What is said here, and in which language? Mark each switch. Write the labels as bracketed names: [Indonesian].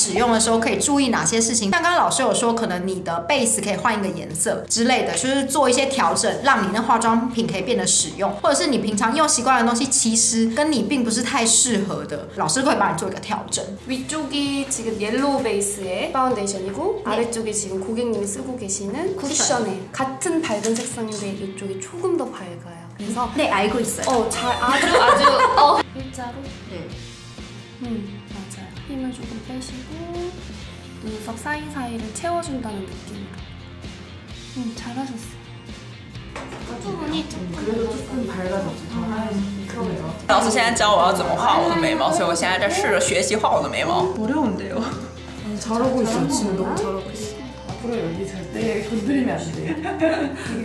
[Chinese] 现在开始化妆吧，我们现在来以后发现就是你们最好把你们平常化的粉底液啊、口红，特别是你自己喜欢或者是我觉得你不知道怎么使用的化妆品，你可以一起带来然后问老师，因为我觉得他会给你一个很好的解答，就是比如说你是因为肤色不适合或者是你在使用的时候可以注意哪些事情。刚刚老师有说可能你的 base 可以换一个颜色之类的，就是做一些调整，让你的化妆品可以变得使用，或者是你平常用习惯的东西其实跟你并不是太适合的，老师可以帮你做一个调整。 [Korean] 위쪽이 지금 옐로우 베이스의 파운데이션이고 네. 아래쪽이 지금 고객님이 쓰고 계시는 쿠션의 쿠션. 같은 밝은 색상인데 이쪽이 조금 더 밝아요. 그래서 네 알고 있어요. 어 잘 아주 어 일자로 네 맞아요. 힘을 조금 빼시고 눈썹 사이 사이를 채워준다는 느낌. 잘하셨어요. [Chinese] 老师现在教我要怎么画我的眉毛，所以我现在在试着学习画我的眉毛。 [Korean] 어려운데요. 잘하고 있어. 지금 너무 잘하고 있어. 앞으로 연기 잘 때 건드리면 안 돼.